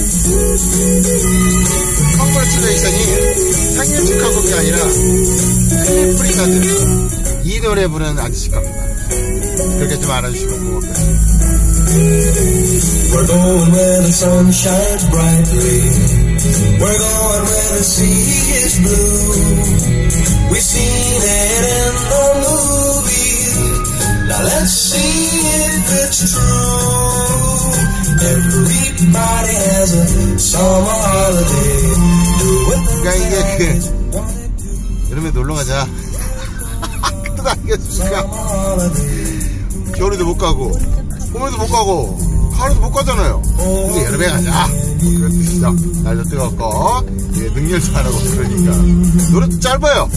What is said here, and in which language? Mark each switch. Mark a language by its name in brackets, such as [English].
[Korean] Congratulations이 생일 축하곡 게 아니라 클리프리카드 이 노래 부르는 아저씨 겁니다. 그렇게 좀 알아주시면 고맙습니다. [English] We're going where the sun shines brightly. We're going where the sea is blue. We've seen it in the movies. Now let's see if it's true. Everybody has a summer holiday. Do what they want to do. [Korean] 여름에 놀러 가자. 또 당겨주니까 겨울에도 못 가고 봄에도 못 가고 하루도 못 가잖아요. 근데 여름에 가자. 뭐 그런 뜻이죠. 날도 뜨겁고 예, 능률도 안 하고 그러니까 노래도 짧아요.